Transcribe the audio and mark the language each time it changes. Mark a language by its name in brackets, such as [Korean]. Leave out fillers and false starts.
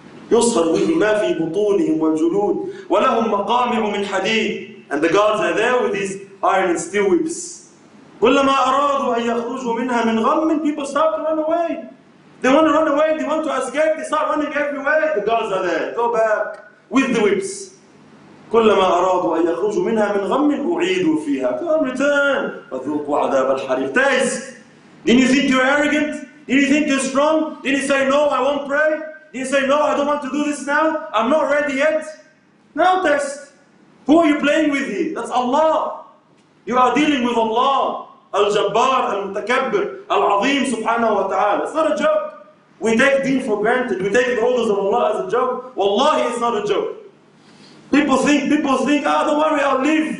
[Arabic] يُصْهَرُ بِهِ مَا فِي بُطُونِهِمْ وَالْجُلُودِ وَلَهُمْ مَقَامِعُ مِنْ حَدِيدٍ [English] And the guards are there with these iron and steel whips. [Arabic] كُلَّمَا أَرَادُوا أَن يَخْرُجُوا مِنْهَا مِنْ غَمٍّ [English] People start to run away. They want to run away, they want to escape, they start running everywhere. The guards are there. Go back with the whips. [Arabic] كلما أرادوا أن يخرجوا منها من غم أعيدوا فيها [English] Come return [Arabic] وذوقوا عذاب الحريق [English] Taste Didn't you think you're arrogant? Didn't you think you're strong? Didn't you say no, I won't pray? Didn't you say no, I don't want to do this now? I'm not ready yet? Now test Who are you playing with here? That's Allah You are dealing with Allah Al-Jabbar, Al-Mutakabbir, Al-Azim Subhanahu wa Ta'ala It's not a joke We take deen for granted We take the orders of Allah as a joke Wallahi it's not a joke People think, ah, don't worry, I'll live.